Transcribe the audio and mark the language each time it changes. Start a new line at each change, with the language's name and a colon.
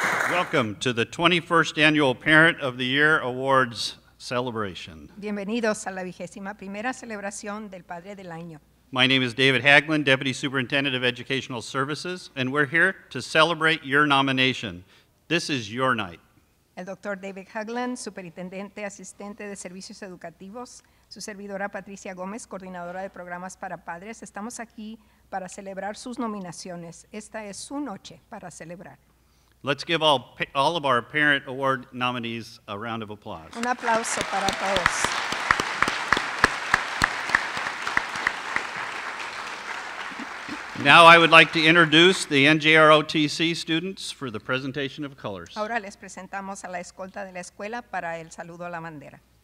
English: Welcome to the 21st Annual Parent of the Year Awards Celebration.
Spanish: Bienvenidos a la 21ª celebración del Padre del Año.
English: My name is David Haglund, Deputy Superintendent of Educational Services, and we're here to celebrate your nomination. This is your night.
Spanish: El Dr. David Haglund, Superintendente Asistente de Servicios Educativos, su servidora Patricia Gómez, Coordinadora de Programas para Padres, estamos aquí para celebrar sus nominaciones. Esta es su noche para celebrar.
English: Let's give all of our Parent Award nominees a round of applause.
Spanish: Un aplauso para todos.
English: Now I would like to introduce the NJROTC students for the presentation of colors.
Spanish: Ahora les presentamos a la escolta de la escuela para el saludo a la bandera.